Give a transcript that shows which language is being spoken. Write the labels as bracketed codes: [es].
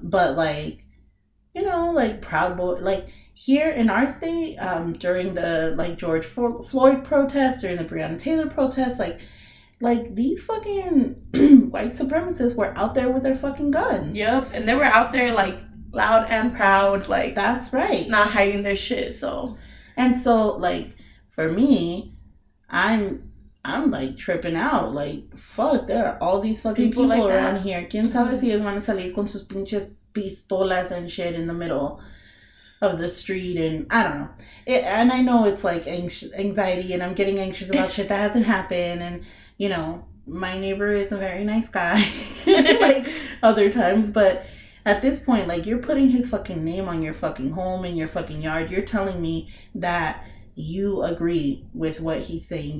[en] But like, you know, like, Proud Boy, like, here in our state, during the, like, George Floyd protests, during the Breonna Taylor protests, like, these fucking white supremacists were out there with their fucking guns. Yep, and they were out there, like, loud and proud, like. That's right. Not hiding their shit, so. And so, like, for me, I'm, like, tripping out. Like, fuck, there are all these fucking people like around that. Here. [es] ¿Quién sabe si van a salir con sus pinches pistolas [en] and shit in the middle of the street? And I don't know. And I know it's, like, anxiety, and I'm getting anxious about shit that hasn't happened. And, you know, my neighbor is a very nice guy, like, other times. But at this point, like, you're putting his fucking name on your fucking home and your fucking yard. You're telling me that you agree with what he's saying.